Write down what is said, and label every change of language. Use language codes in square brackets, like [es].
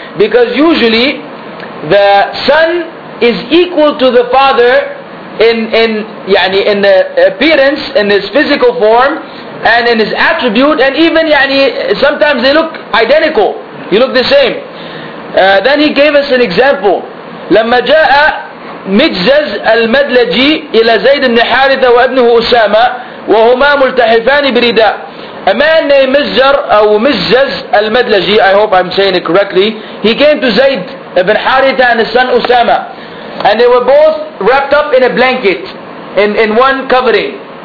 [en] Because usually the son is equal to the father in the appearance, in his physical form, and in his attribute, and even sometimes they look identical. You look the same. Then he gave us an example. [ar] لما جاء مجزز المدلجي إلى زيد بن حارثة وابنه أسامة وهما ملتحفان برداء. [en] A man named Mizzar or Mizzaz المدلجي, I hope I'm saying it correctly. He came to Zayd ibn Haritha and his son Usama. And they were both wrapped up in a blanket, in one covering.